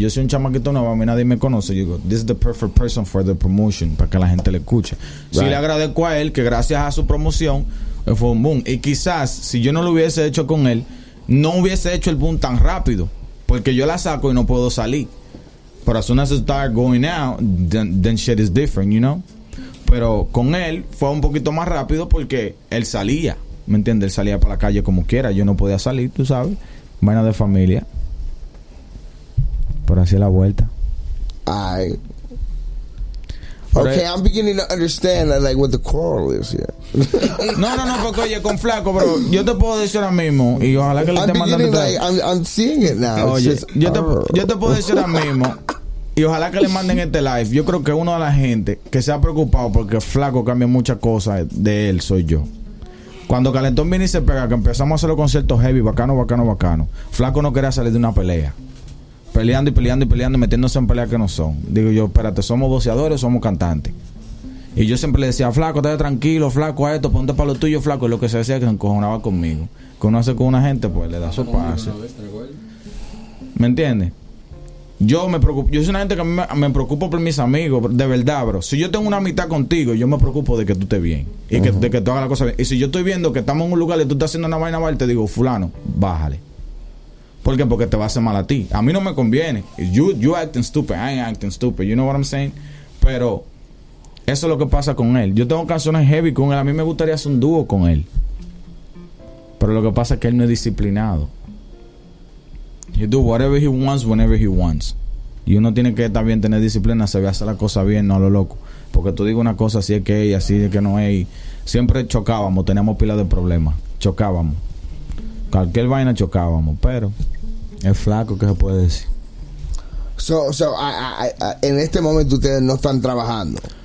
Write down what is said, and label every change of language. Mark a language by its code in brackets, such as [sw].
[es] Yo soy un chamaquito nuevo, a mí nadie me conoce. Yo digo, [en] this is the perfect person for the promotion, [es] para que la gente le escuche. Right. Sí, le agradezco a él que gracias a su promoción fue un boom. Y quizás, si yo no lo hubiese hecho con él, no hubiese hecho el boom tan rápido. Porque yo la saco y no puedo salir. [en] Pero as soon as it started going out, then shit is different, you know? [es] Pero con él fue un poquito más rápido porque él salía, ¿me entiendes? Él salía para la calle como quiera, yo no podía salir, tú sabes. Vaina de familia. Pero así la vuelta. Ay. [en] Okay, I'm beginning to understand that, like, what the quarrel is here. [es] No, porque oye, con Flaco, bro, yo te puedo decir ahora mismo, y ojalá que le esté mandando [en] like, I'm seeing it now. [es] Oye, [en] it's just, [es] yo te puedo decir ahora mismo, y ojalá que le manden este live. Yo creo que uno de la gente que se ha preocupado porque Flaco cambia muchas cosas de él soy yo. Cuando Calentón viene y se pega, que empezamos a hacer los conciertos heavy, bacano, Flaco no quería salir de una pelea. Peleando, metiéndose en peleas que no son. Digo yo, espérate, ¿somos boxeadores o somos cantantes? Y yo siempre le decía, Flaco, estate tranquilo, Flaco, a esto, ponte para lo tuyo, Flaco. Y lo que se decía es que se encojonaba conmigo. Que uno hace con una gente, pues le da su pase. ¿Me entiendes? Yo me preocupo, yo soy una gente que me preocupo por mis amigos, de verdad, bro. Si yo tengo una amistad contigo, yo me preocupo de que tú estés bien. Y que, de que tú hagas la cosa bien. Y si yo estoy viendo que estamos en un lugar y tú estás haciendo una vaina mal, te digo, fulano, bájale. ¿Por qué? Porque te va a hacer mal a ti. A mí no me conviene. [en] You acting stupid. I ain't acting stupid. You know what I'm saying? [es] Pero eso es lo que pasa con él. Yo tengo canciones heavy con él. A mí me gustaría hacer un dúo con él. Pero lo que pasa es que él no es disciplinado. [en] He do whatever he wants, whenever he wants. [es] Y uno tiene que estar bien, tener disciplina. Se ve hacer la cosa bien, no a lo loco. Porque tú digo una cosa, así es que es, así es que no es. Y siempre chocábamos. Teníamos pila de problemas. Chocábamos. Cualquier vaina chocábamos, pero es Flaco, ¿qué se puede decir? So, en este momento ustedes no están trabajando.